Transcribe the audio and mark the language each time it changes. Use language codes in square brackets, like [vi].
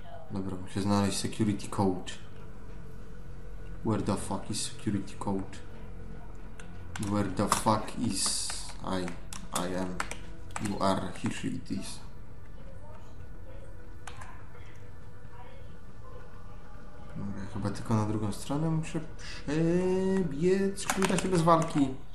[pl] Dobra, muszę znaleźć security code. [en] Where the fuck is security code? Where the fuck is I am, you are, he, she, it is. [pl] Dobra, chyba tylko na drugą stronę muszę przebiec, czy uda się bez walki.